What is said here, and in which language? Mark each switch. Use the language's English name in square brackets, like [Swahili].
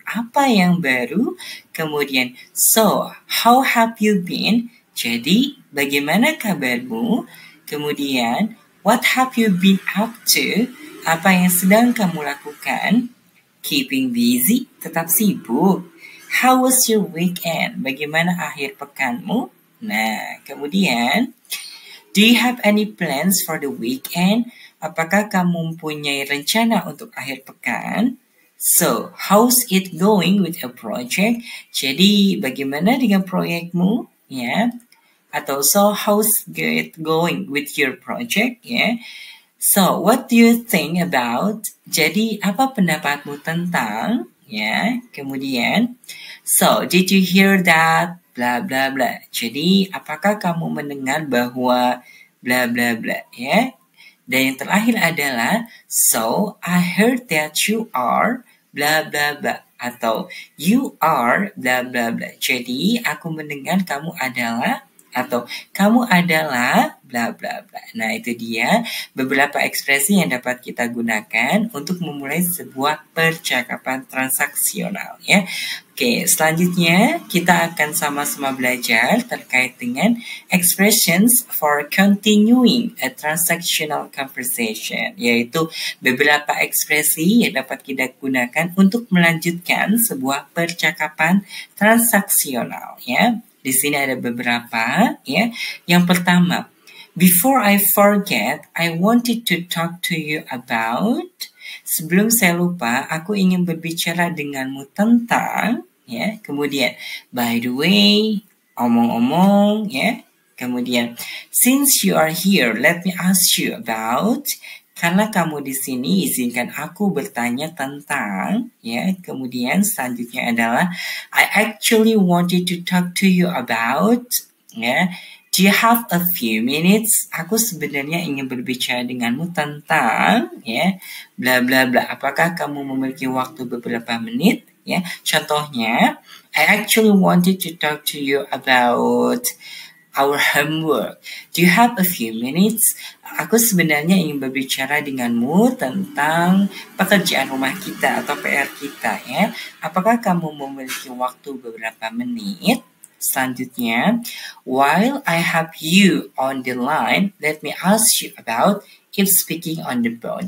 [Indonesian] Apa yang baru? Kemudian [English] so, how have you been? [Indonesian] Jadi, bagaimana kabarmu? Kemudian [English] what have you been up to? [Indonesian] Apa yang sedang kamu lakukan? [English] Keeping busy, [Indonesian] tetap sibuk. [English] How was your weekend? [Indonesian] Bagaimana akhir pekanmu? Nah, kemudian, [English] do you have any plans for the weekend? [Indonesian] Apakah kamu mempunyai rencana untuk akhir pekan? [English] So, how's it going with a project? [Indonesian] Jadi, bagaimana dengan proyekmu? Ya, atau [English] so, how's it going with your project? Ya. So, what do you think about? [Indonesian] Jadi, apa pendapatmu tentang? Ya, kemudian. [English] So, did you hear that? Blah, blah, blah. [Indonesian] Jadi, apakah kamu mendengar bahwa blah, blah, blah? Ya. Dan yang terakhir adalah. [English] So, I heard that you are blah, blah, blah. [Indonesian] Atau, [English] you are blah, blah, blah. [Indonesian] Jadi, aku mendengar kamu adalah. Atau kamu adalah bla bla bla. Nah, itu dia beberapa ekspresi yang dapat kita gunakan untuk memulai sebuah percakapan transaksional ya. Oke, selanjutnya kita akan sama-sama belajar terkait dengan [English] expressions for continuing a transactional conversation, [Indonesian] yaitu beberapa ekspresi yang dapat kita gunakan untuk melanjutkan sebuah percakapan transaksional ya. Di sini ada beberapa ya. Yang pertama, [English] before I forget, I wanted to talk to you about. [Indonesian] Sebelum saya lupa, aku ingin berbicara denganmu tentang ya. Kemudian, [English] by the way, [Indonesian] omong-omong ya. Kemudian, [English] since you are here, let me ask you about. [Indonesian] Karena kamu di sini, izinkan aku bertanya tentang, ya. Kemudian selanjutnya adalah, [English] I actually wanted to talk to you about, ya. Do you have a few minutes? [Indonesian] Aku sebenarnya ingin berbicara denganmu tentang, ya. Bla bla bla. Apakah kamu memiliki waktu beberapa menit, ya? Contohnya, [English] I actually wanted to talk to you about our homework. Do you have a few minutes? [Indonesian] Aku sebenarnya ingin berbicara denganmu tentang pekerjaan rumah kita atau PR kita ya. Apakah kamu memiliki waktu beberapa menit? Selanjutnya, [English] while I have you on the line, let me ask you about keep speaking on the phone.